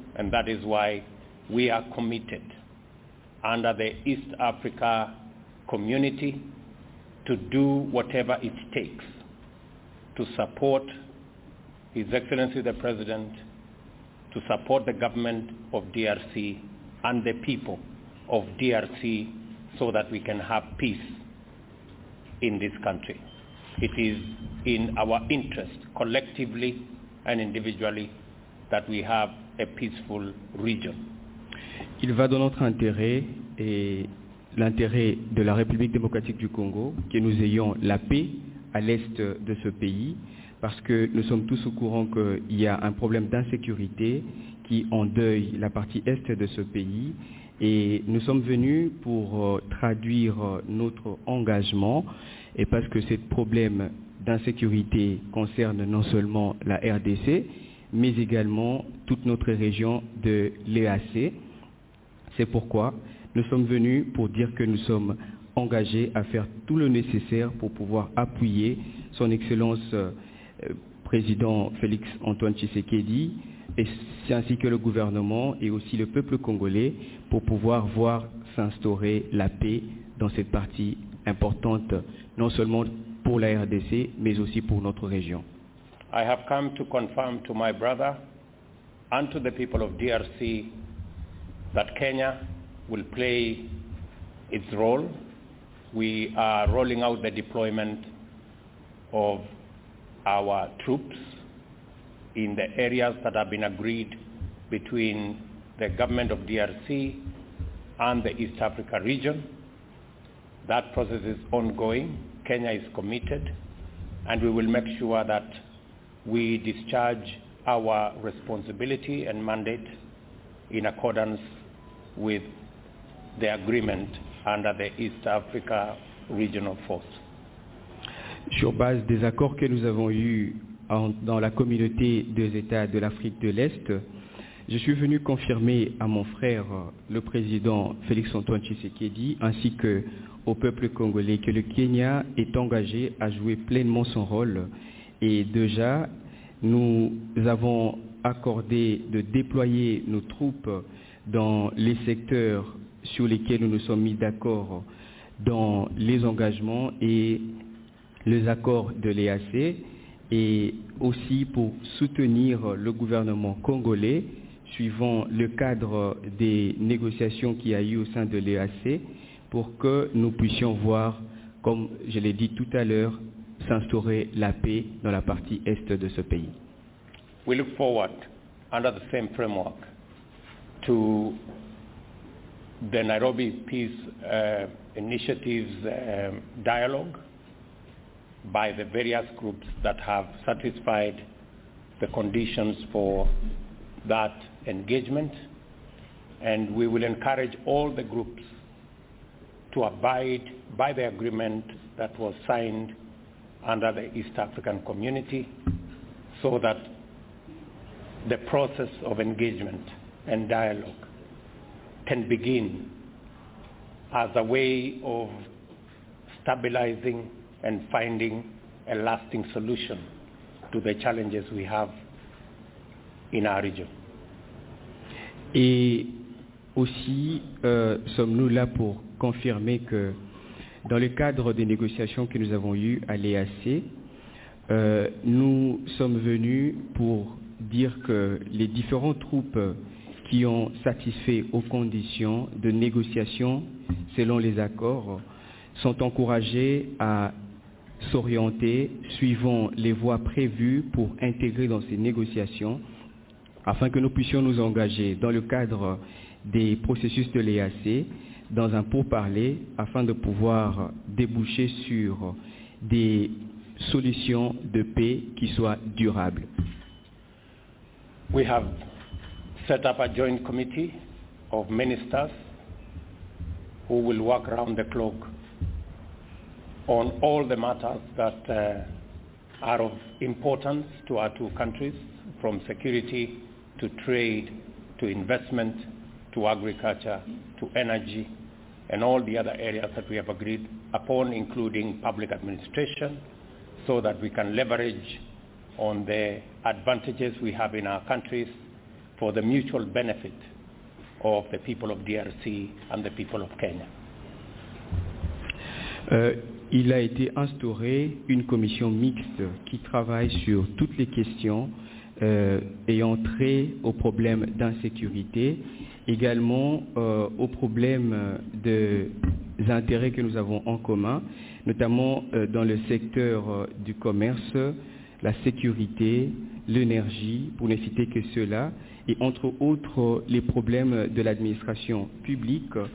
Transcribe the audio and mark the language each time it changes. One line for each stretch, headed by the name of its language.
English: And that is why we are committed under the East Africa community to do whatever it takes to support His Excellency the President, to support the government of DRC and the people of DRC so that we can have peace in this country. It is in our interest collectively and individually that we have a peaceful region.
French: Il va de notre intérêt et l'intérêt de la République démocratique du Congo, que nous ayons la paix à l'est de ce pays, parce que nous sommes tous au courant qu'il y a un problème d'insécurité qui endeuille la partie est de ce pays, et nous sommes venus pour traduire notre engagement, et parce que ce problème d'insécurité concerne non seulement la RDC, mais également toute notre région de l'EAC. C'est pourquoi Nous sommes venus pour dire que nous sommes engagés à faire tout le nécessaire pour pouvoir appuyer son Excellence Président Félix Antoine Tshisekedi, et c'est ainsi que le gouvernement et aussi le peuple congolais pour pouvoir voir s'instaurer la paix dans cette partie importante, non seulement pour la RDC, mais aussi pour notre région.
English: I have come to confirm to my brother and to the people of DRC that Kenya will play its role. We are rolling out the deployment of our troops in the areas that have been agreed between the government of DRC and the East Africa region. That process is ongoing. Kenya is committed, and we will make sure that we discharge our responsibility and mandate in accordance with the agreement under the East Africa Regional Force.
French: Sur base des accords que nous avons eus dans la communauté des États de l'Afrique de l'Est, je suis venu confirmer à mon frère, le président Félix Antoine Tshisekedi, ainsi que au peuple congolais, que le Kenya est engagé à jouer pleinement son rôle. Et déjà, nous avons accordé de déployer nos troupes dans les secteurs sur lesquels nous nous sommes mis d'accord dans les engagements et les accords de l'EAC, et aussi pour soutenir le gouvernement congolais suivant le cadre des négociations qu'il y a eu au sein de l'EAC, pour que nous puissions voir, comme je l'ai dit tout à l'heure, s'instaurer la paix dans la partie est de ce pays.
English: We look forward, under the same framework, to the Nairobi Peace Initiatives dialogue by the various groups that have satisfied the conditions for that engagement, and we will encourage all the groups to abide by the agreement that was signed under the East African Community, so that the process of engagement and dialogue can begin as a way of stabilizing and finding a lasting solution to the challenges we have in our region.
French: Et aussi, sommes-nous là pour confirmer que dans le cadre des négociations que nous avons eues à l'EAC, nous sommes venus pour dire que les différentes troupes qui ont satisfait aux conditions de négociation selon les accords sont encouragées à s'orienter suivant les voies prévues pour intégrer dans ces négociations, afin que nous puissions nous engager dans le cadre des processus de l'EAC dans un pourparler, afin de pouvoir déboucher sur des solutions de paix qui soient durables.
English: We have set up a joint committee of ministers who will work round the clock on all the matters that are of importance to our two countries, from security to trade to investment to agriculture to energy and all the other areas that we have agreed upon, including public administration, so that we can leverage on the advantages we have in our countries for the mutual benefit of the people of DRC and the people of Kenya.
French: Il a été instauré une commission mixte qui travaille sur toutes les questions ayant trait au problème d'insécurité, également au problème des intérêts que nous avons en commun, notamment dans le secteur du commerce, la sécurité, l'énergie, pour ne citer que cela, et entre autres les problèmes de l'administration publique.